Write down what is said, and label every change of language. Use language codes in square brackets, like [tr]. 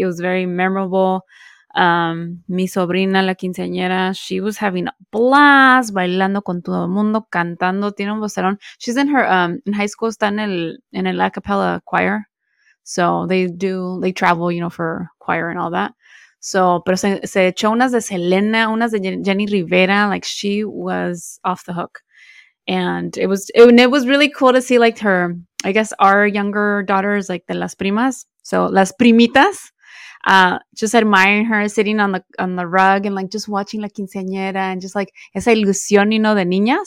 [en] It was very memorable. [es] Mi sobrina, la quinceañera, [en] she was having a blast, [es] bailando con todo el mundo, cantando. Tiene un vocerón. [en] She's in her, in high school, [es] está en el [en] a cappella choir. So they travel, you know, for choir and all that. [es] So, pero se echó unas de Selena, unas de Jenny Rivera. [en] Like, she was off the hook. And it was really cool to see, like, her, I guess, our younger daughters, like, [es] de las primas. [en] So, [es] las primitas. [en] Just admiring her, sitting on the rug and, like, just watching la quinceañera and just, like, [es] esa ilusión, [en] you know, [es] de niña.